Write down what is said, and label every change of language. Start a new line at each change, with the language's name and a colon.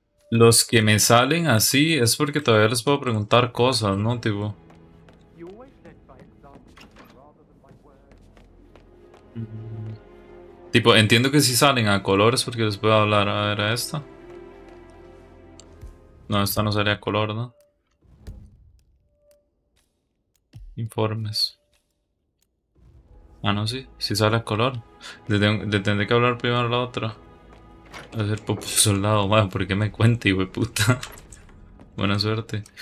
Spanish: Los que me salen así es porque todavía les puedo preguntar cosas, ¿no? Tipo...
English: You always led by example rather than by words.
Spanish: Tipo, entiendo que si salen a colores porque les voy a hablar. A ver, a esta. No, esta no sería color, ¿no? Informes. Ah, no, sí. Si sale a color. Le tendré que hablar primero a la otra. A ser popo soldado, madre, ¿por qué me cuente, hijo de puta? Buena suerte.